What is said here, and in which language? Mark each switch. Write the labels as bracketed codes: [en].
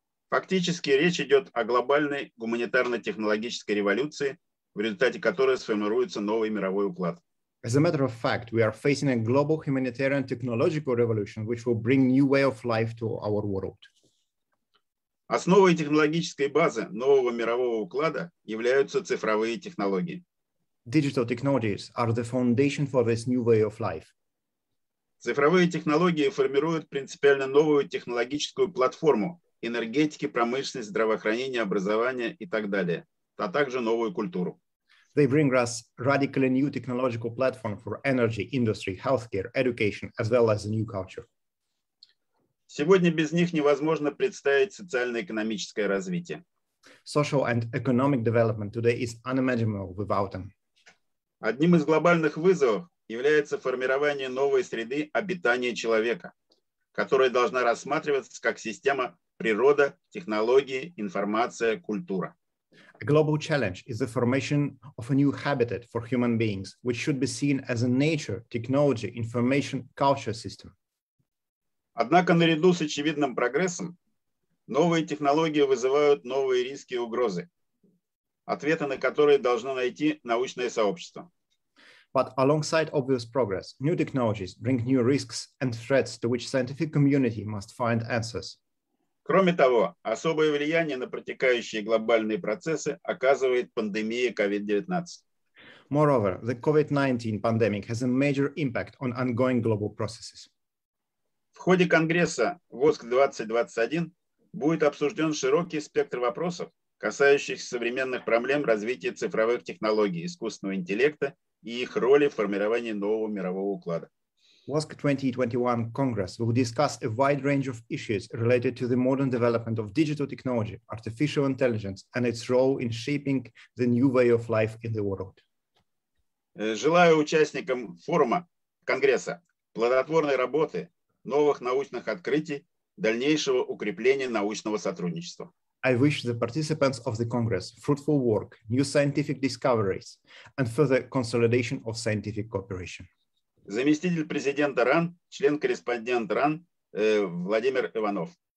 [ru] Фактически речь идет о глобальной гуманитарно-технологической революции, в результате которой сформируется новый мировой уклад. [en] As a matter of fact, we are facing a global humanitarian technological revolution, which will bring new way of life to our world. [ru] Основой технологической базы нового мирового уклада являются цифровые технологии. [en] Digital technologies are the foundation for this new way of life. [ru] Цифровые технологии формируют принципиально новую технологическую платформу энергетики, промышленности, здравоохранения, образования и так далее, а также новую культуру. [en] They bring us radically new technological platform for energy, industry, healthcare, education, as well as a new culture. [ru] Сегодня без них невозможно представить социально-экономическое развитие. [en] Social and economic development today is unimaginable without them. [ru] Одним из глобальных вызовов является формирование новой среды обитания человека, которая должна рассматриваться как система природа, технологии, информация, культура. [en] A global challenge is the formation of a new habitat for human beings, which should be seen as a nature, technology, information, culture system. [ru] Однако наряду с очевидным прогрессом новые технологии вызывают новые риски и угрозы, ответы на которые должно найти научное сообщество. [en] But alongside obvious progress, new technologies bring new risks and threats to which scientific community must find answers. [ru] Кроме того, особое влияние на протекающие глобальные процессы оказывает пандемия COVID-19. [en] Moreover, the COVID-19 pandemic has a major impact on ongoing global processes. [ru] В ходе Конгресса WOSC 2021 будет обсужден широкий спектр вопросов, касающихся современных проблем развития цифровых технологий, искусственного интеллекта и их роли в формировании нового мирового уклада. [en] WOSC 2021 Congress will discuss a wide range of issues related to the modern development of digital technology, artificial intelligence and its role in shaping the new way of life in the world. [ru] Желаю участникам форума Конгресса плодотворной работы, новых научных открытий дальнейшего укрепления научного сотрудничества. [en] I wish the participants of the Congress fruitful work, new scientific discoveries, and further consolidation of scientific cooperation. [ru] Заместитель президента РАН, член-корреспондент РАН Владимир Иванов.